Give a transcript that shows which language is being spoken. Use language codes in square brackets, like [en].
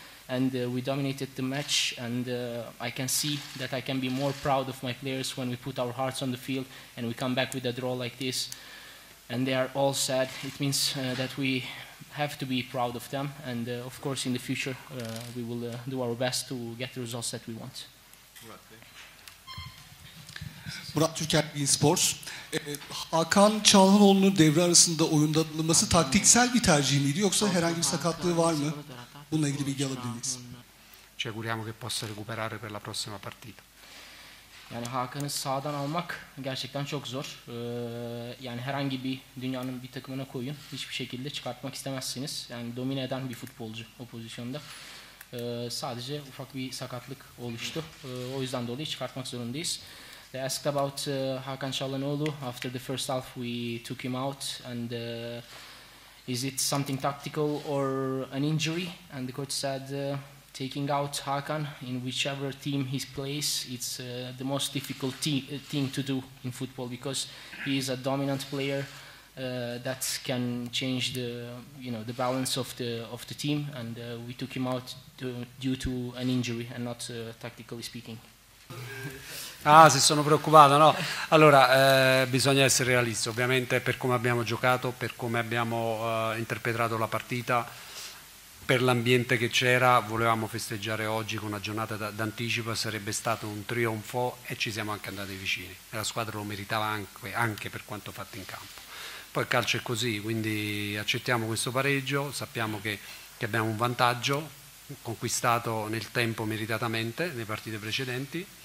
[en] And we dominated the match. And I can see that I can be more proud of my players when we put our hearts on the field and we come back with a draw like this. And they are all sad. It means that we have to be proud of them. And of course, in the future, we will do our best to get the results that we want. [tr] Murat Türker, İnspor. Hakan Çalhanoğlu'nun devre arasında oyunda alınması taktiksel bir tercih miydi yoksa herhangi bir sakatlığı var mı? Bununla ilgili bilgi alabilir miyiz? [it] Ci auguriamo che possa recuperare per la prossima partita. [tr] Yani Hakan'ı sağdan almak gerçekten çok zor. Yani herhangi bir dünyanın bir takımına koyun, hiçbir şekilde çıkartmak istemezsiniz. Yani domine eden bir futbolcu o pozisyonda. Sadece ufak bir sakatlık oluştu. O yüzden dolayı çıkartmak zorundayız. [en] They asked about Hakan Çalhanoğlu after the first half we took him out and is it something tactical or an injury? And the coach said taking out Hakan in whichever team he plays, it's the most difficult thing to do in football because he is a dominant player that can change the balance of the team and we took him out due to an injury and not tactically speaking. [it] Ah, si sono preoccupato, no? Allora, bisogna essere realisti. Ovviamente per come abbiamo giocato, per come abbiamo interpretato la partita, per l'ambiente che c'era, volevamo festeggiare oggi con una giornata d'anticipo, sarebbe stato un trionfo e ci siamo anche andati vicini. La squadra lo meritava anche per quanto fatto in campo. Poi il calcio è così, quindi accettiamo questo pareggio, sappiamo che abbiamo un vantaggio conquistato nel tempo meritatamente, nelle partite precedenti.